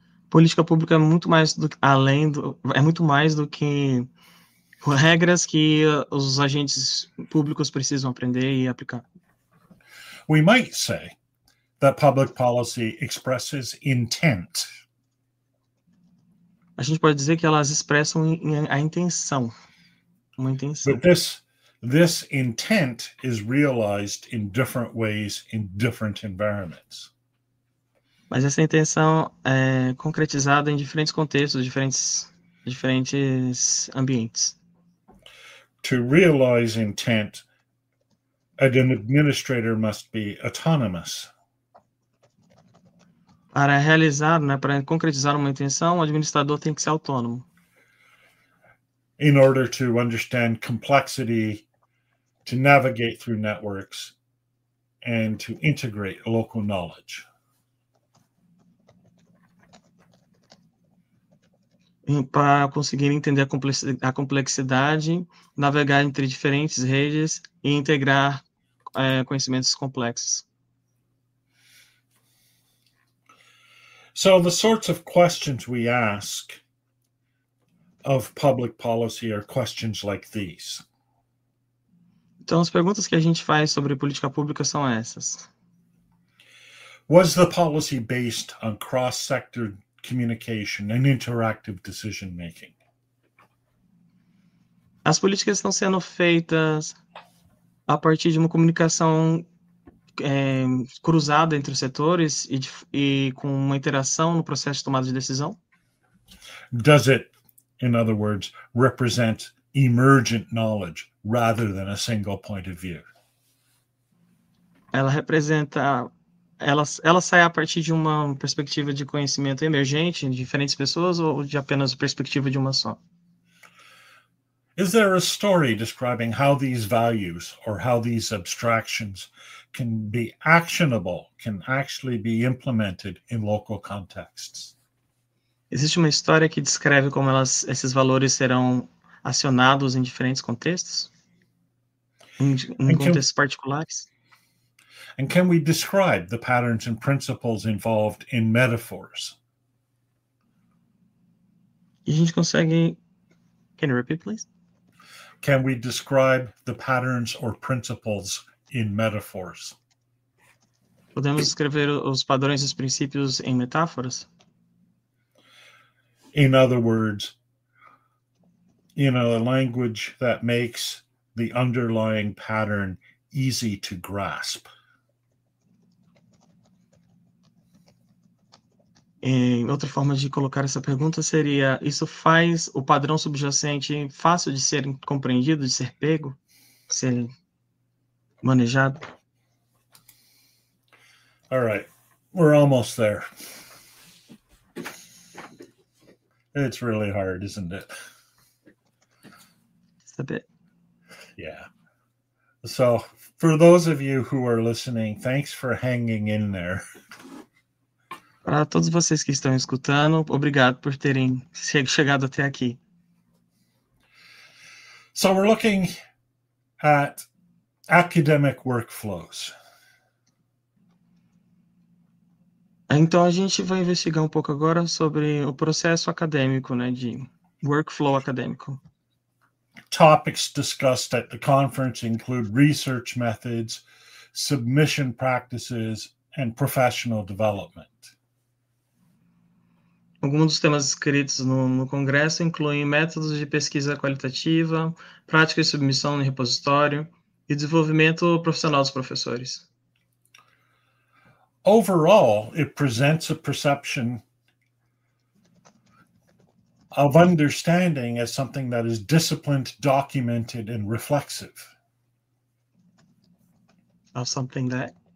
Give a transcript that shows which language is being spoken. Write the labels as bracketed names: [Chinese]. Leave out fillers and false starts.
[Portuguese] Política pública é muito mais do que além do é muito mais do que regras que os agentes públicos precisam aprender e aplicar. [English] We might say that public policy expresses intent. [Portuguese] A gente pode dizer que elas expressam a intenção, uma intenção. [English] But this intent is realized in different ways in different environments. [Portuguese] Mas essa intenção é concretizada em diferentes contextos, diferentes ambientes. [English] To realize intent, an administrator must be autonomous. [Portuguese] Para realizar, né, para concretizar uma intenção, o administrador tem que ser autônomo. [English] In order to understand complexity, to navigate through networks, and to integrate local knowledge. [Portuguese] Para conseguir entender a complexidade, navegar entre diferentes redes e integrar conhecimentos complexos. [English] So the sorts of questions we ask of public policy are questions like these. [Portuguese] Então as perguntas que a gente faz sobre política pública são essas. [English] Was the policy based on cross-sector communication and interactive decision making? [Portuguese] As políticas estão sendo feitas a partir de uma comunicação cruzada entre os setores e com uma interação no processo de tomada de decisão? [English] Does it, in other words, represent emergent knowledge rather than a single point of view? [Portuguese] Ela sai a partir de uma perspectiva de conhecimento emergente de diferentes pessoas ou de apenas a perspectiva de uma só? [English] Is there a story describing how these values or how these abstractions can be actionable, can actually be implemented in local contexts? [Portuguese] Existe uma história que descreve como esses valores serão acionados em diferentes contextos? Em contextos particulares? [English] And can we describe the patterns and principles involved in metaphors? [Portuguese] A gente consegue... [English] Can you repeat, please? Can we describe the patterns or principles in metaphors? [Portuguese] Podemos escrever os padrões e os princípios em metáforas? [English] In other words, in a language that makes the underlying pattern easy to grasp. [Portuguese] Em outra forma de colocar essa pergunta seria: isso faz o padrão subjacente fácil de ser compreendido, de ser pego, de ser manejado? [English] All right, we're almost there. It's really hard, isn't it? Just a bit. Yeah. So, for those of you who are listening, thanks for hanging in there. [Portuguese] Para todos vocês que estão escutando, obrigado por terem chegado até aqui. [English] So we're looking at academic workflows. [Portuguese] Então, a gente vai investigar um pouco agora sobre o processo acadêmico, né, de workflow acadêmico. [English] Topics discussed at the conference include research methods, submission practices, and professional development. [Portuguese] Alguns dos temas escritos no Congresso incluem métodos de pesquisa qualitativa, prática de submissão no repositório e desenvolvimento profissional dos professores. [English] Overall, it presents a perception of understanding as something that is disciplined, documented, and reflexive. Of something that.